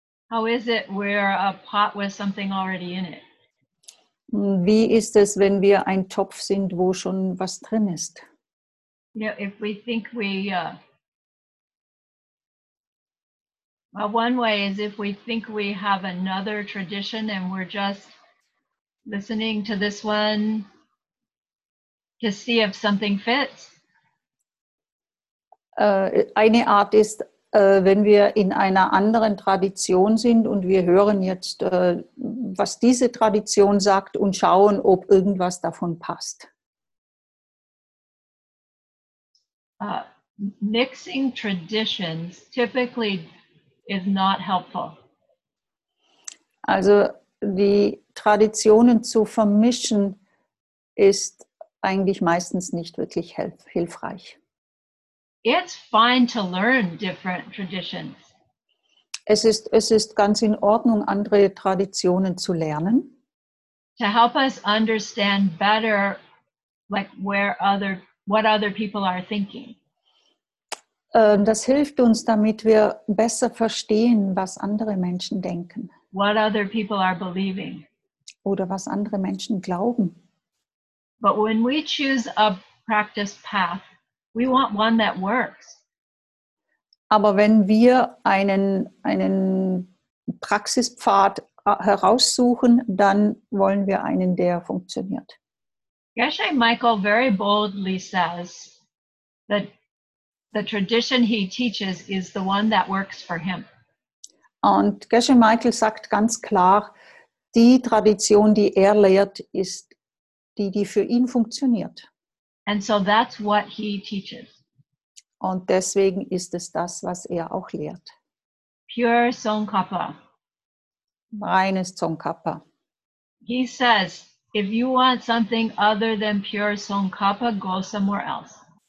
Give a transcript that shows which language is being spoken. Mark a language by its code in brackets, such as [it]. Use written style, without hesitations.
[en] How is it we're a pot with something already in it? [de] Wie ist es, wenn wir ein Topf sind, wo schon was drin ist? [en] Yeah, if we think we well, one way is if we think we have another tradition and we're just listening to this one to see if something fits. [de] Eine Art ist, wenn wir in einer anderen Tradition sind und wir hören jetzt, was diese Tradition sagt und schauen, ob irgendwas davon passt. [en] Mixing traditions typically is not helpful. [de] Also die Traditionen zu vermischen ist eigentlich meistens nicht wirklich hilfreich. [en] It's fine to learn different traditions. [de] Es ist ganz in Ordnung, andere Traditionen zu lernen. [en] To help us understand better, like what other people are thinking. [de] Das hilft uns, damit wir besser verstehen, was andere Menschen denken. [en] What other people are believing. [de] Oder was andere Menschen glauben. [en] But when we choose a practice path, we want one that works. [de] Aber wenn wir einen Praxispfad heraussuchen, dann wollen wir einen, der funktioniert. [en] Geshe Michael very boldly says that the tradition he teaches is the one that works for him. [de] Und Geshe Michael sagt ganz klar, die Tradition, die lehrt, ist die, die für ihn funktioniert. [en] And so that's what he teaches. [de] Und deswegen ist es das, was auch lehrt. [en] Pure Tsongkhapa. [de] Reines Tsongkhapa. [en] He says, if you want something other than pure Tsongkhapa, go somewhere else.